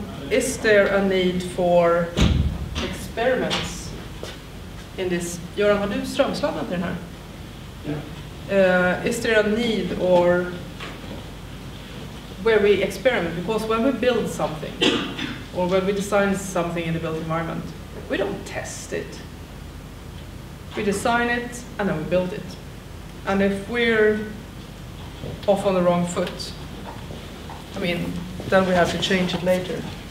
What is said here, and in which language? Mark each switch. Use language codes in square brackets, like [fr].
[en] Is there a need for experiments in this? [sv] Göran, har du strömsladdat den här? [en] Is there a need or where we experiment? Because when we build something or when we design something in the built environment, we don't test it. We design it and then we build it. And if we're off on the wrong foot, I mean, then we have to change it later.